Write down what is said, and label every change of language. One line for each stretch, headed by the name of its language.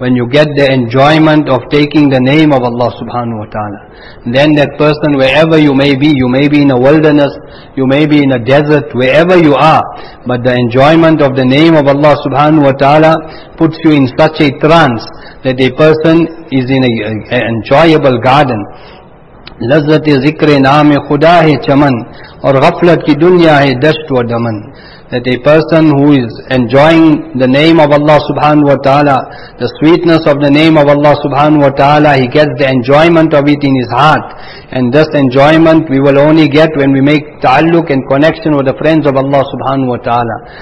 English: When you get the enjoyment of taking the name of Allah subhanahu wa ta'ala, then that person, wherever you may be in a wilderness, you may be in a desert, wherever you are, but the enjoyment of the name of Allah subhanahu wa ta'ala puts you in such a trance that a person is in an enjoyable garden.
Urdu: لذت ذکر نام خدا ہے چمن اور غفلت کی دنیا ہے دشت و دمن.
English: That a person who is enjoying the name of Allah subhanahu wa ta'ala, the sweetness of the name of Allah subhanahu wa ta'ala, he gets the enjoyment of it in his heart. And this enjoyment we will only get when we make ta'alluq and connection with the friends of Allah subhanahu wa ta'ala.